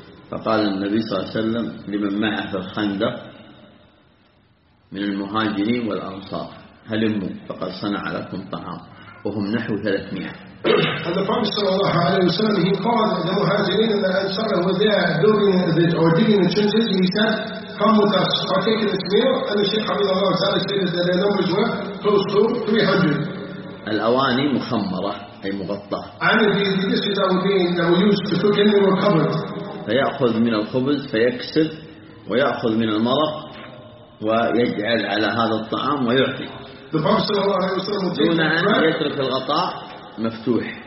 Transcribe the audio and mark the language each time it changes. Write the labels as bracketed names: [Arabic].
[Arabic] فقال النبي صلى الله عليه وسلم لمن معه في الخندق من المهاجرين والأنصار هلموا فقد صنع لكم طعام وهم نحو 300. [English] And the Prophet صلى الله عليه وسلم he called the مهاجرين and the أنصار who were there building or digging the trenches and he said come with us partake in this meal and the Shaykh حفظه الله تعالى said that their numbers were close to 300. [Arabic] الأواني مخمرة أي مغطاة. [English] And the dishes that were used to cook in them were covered. [Arabic] فيأخذ من الخبز فيكسب ويأخذ من المرق ويجعل على هذا الطعام ويعطي دون أن يترك الغطاء مفتوح.